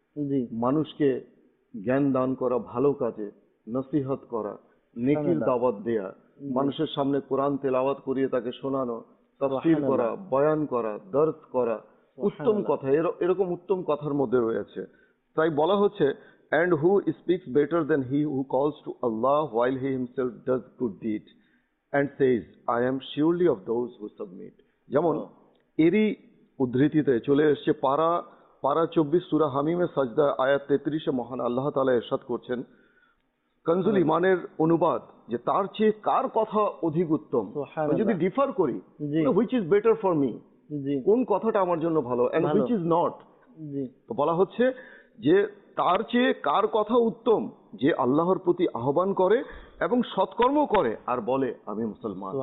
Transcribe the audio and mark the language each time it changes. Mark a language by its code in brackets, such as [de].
[bn] জি মানুষকে জ্ঞান দান করা, ভালো কাজে নসিহত করা, নেকির দাওয়াত দেয়া, মানুষের সামনে কোরআন তেলাওয়াত করিয়ে তাকে শোনানো, তাফসীর করা, বয়ান করা, দরস করা, উত্তম কথা, এরকম উত্তম কথার মধ্যে রয়েছে। তাই বলা হচ্ছে [en] and who speaks better than he who calls to Allah while he himself does good deed and says I am surely of those who submit. [bn] যেমন এরি উদ্ধৃতিতে চলে এসেছে পারা 24 সূরা হামিমের সাজদা আয়াত 33 এ মহান আল্লাহ তাআলা ইরশাদ করছেন, কনজুল ইমানের অনুবাদ, যে তার চেয়ে কার কথা অধিক উত্তম, যদি ডিফার করি [en] which is better for me, [bn] কোন কথাটা আমার জন্য ভালো [en] and which is not, [bn] তো বলা হচ্ছে যে তার চেয়ে কার কথা উত্তম যে আল্লাহর প্রতি আহ্বান করে এবং সৎকর্ম করে আর বলে আমি মুসলমান।